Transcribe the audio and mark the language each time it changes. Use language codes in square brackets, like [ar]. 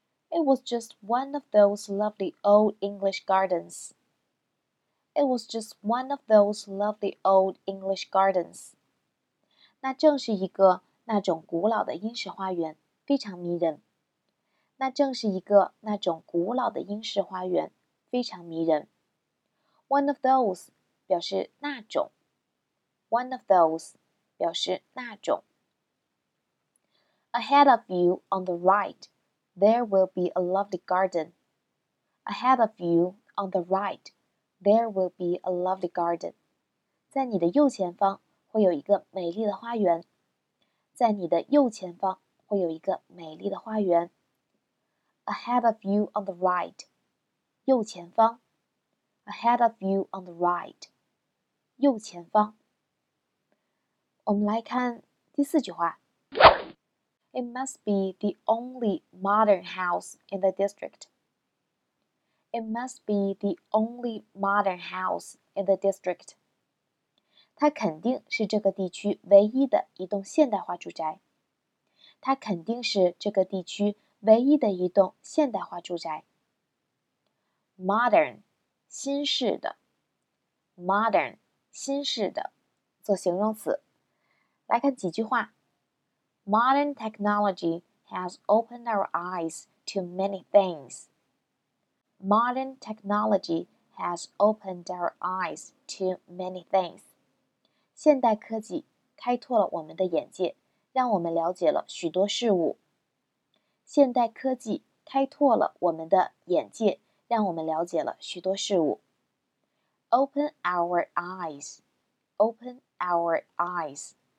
[en] It was just one of those lovely old English gardens. It was just one of those lovely old English gardens. [zh] 那正是一个那种古老的英式花园，非常迷人。那正是一个那种古老的英式花园，非常迷人。 [en] One of those [zh] 表示那种。One of those 表示那种。 [en] Ahead of you on the right. There will be a lovely garden. Ahead of you, on the right, there will be a lovely garden. [zh] 在你的右前方会有一个美丽的花园。在你的右前方会有一个美丽的花园。 [en] Ahead of you, on the right. [zh] 右前方。 [en] Ahead of you, on the right. [zh] 右前方。 [en] 我们来看第四句话。 It must be the only modern house in the district. It must be the only modern house in the district. [zh] 它肯定是这个地区唯一的一栋现代化住宅。它肯定是这个地区唯一的一栋现代化住宅。 Modern, 新式的。Modern, 新式的。做形容词。来看几句话。 [en] Modern technology has opened our eyes to many things. Modern technology has opened our eyes to many things. [zh] 现代科技开拓了我们的眼界，让我们了解了许多事物。现代科技开拓了我们的眼界，让我们了解了许多事物。 [en] Open our eyes. Open our eyes.